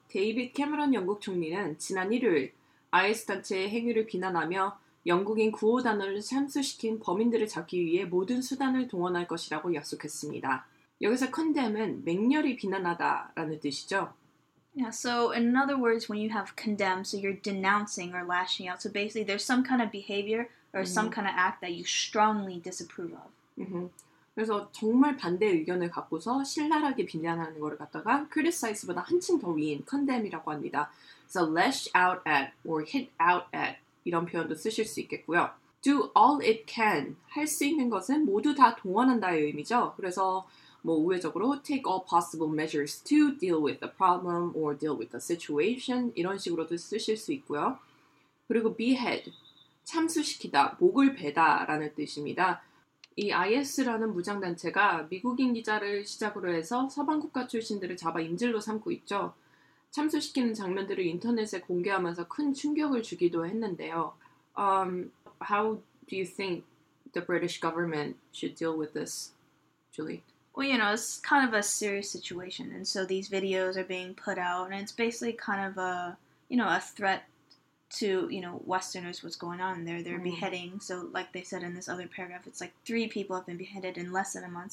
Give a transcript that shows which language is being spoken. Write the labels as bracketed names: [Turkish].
[Korean] 데이빗 캐머런 영국 총리는 지난 일요일 IS 단체의 행위를 비난하며 영국인 구호단을 참수시킨 범인들을 잡기 위해 모든 수단을 동원할 것이라고 약속했습니다. 여기서 condemn은 맹렬히 비난하다라는 뜻이죠. [English] Yeah, so in other words, when you have condemn, so you're denouncing or lashing out. So basically, there's some kind of behavior or some kind of act that you strongly disapprove of. [Korean] 그래서 정말 반대 의견을 갖고서 신랄하게 비난하는 거를 갖다가 criticize보다 한층 더 위인 condemn이라고 합니다. [English] So lash out at or hit out at [Korean] 이런 표현도 쓰실 수 있겠고요. [English] Do all it can, [Korean] 할 수 있는 것은 모두 다 동원한다의 의미죠. 그래서 뭐 우회적으로 [English] take all possible measures to deal with the problem or deal with the situation [Korean] 이런 식으로도 쓰실 수 있고요. 그리고 behead, 참수시키다, 목을 베다 라는 뜻입니다. 이 IS라는 무장단체가 미국인 기자를 시작으로 해서 서방 국가 출신들을 잡아 인질로 삼고 있죠. 참수시키는 장면들을 인터넷에 공개하면서 큰 충격을 주기도 했는데요. [English] How do you think the British government should deal with this, Julie? Well, you know, it's kind of a serious situation. And so these videos are being put out and it's basically kind of a, you know, a threat to, you know, Westerners what's going on there. They're beheading. So like they said in this other paragraph, it's like three people have been beheaded in less than a month.